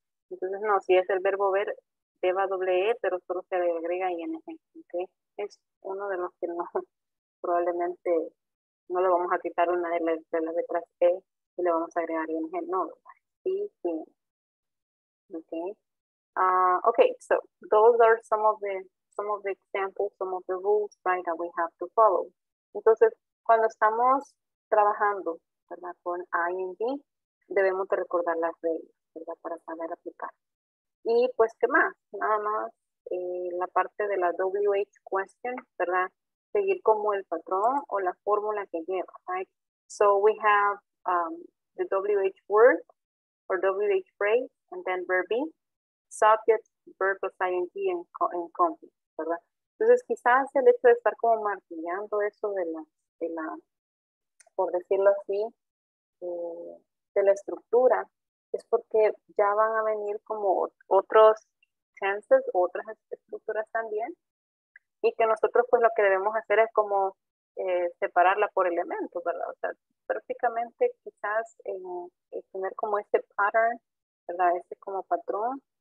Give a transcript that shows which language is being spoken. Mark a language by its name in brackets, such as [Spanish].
[Spanish] Entonces, no, si es el verbo ver, lleva doble e, pero solo se le agrega ing, ¿ok? Es uno de los que no, probablemente no le vamos a quitar una de las letras e y le vamos a agregar ing, no, sí, ¿ok? [English] Okay, so those are some of the examples, some of the rules, right, that we have to follow. [Spanish] Entonces, cuando estamos trabajando, ¿verdad? Con ING, debemos de recordar las reglas, ¿verdad? Para saber aplicar. Y pues, ¿qué más? Nada más la parte de la WH question, ¿verdad? Seguir como el patrón o la fórmula que lleva, [English] right? So we have the WH word or WH phrase and then verb be. Subject, verb plus ing en complement, [Spanish] ¿verdad? Entonces, quizás el hecho de estar como martillando eso de la, por decirlo así, de la estructura, es porque ya van a venir como otros tenses, otras estructuras también, y que nosotros, pues lo que debemos hacer es como separarla por elementos, ¿verdad? O sea, prácticamente, quizás tener como este pattern, ¿verdad? Este como patrón.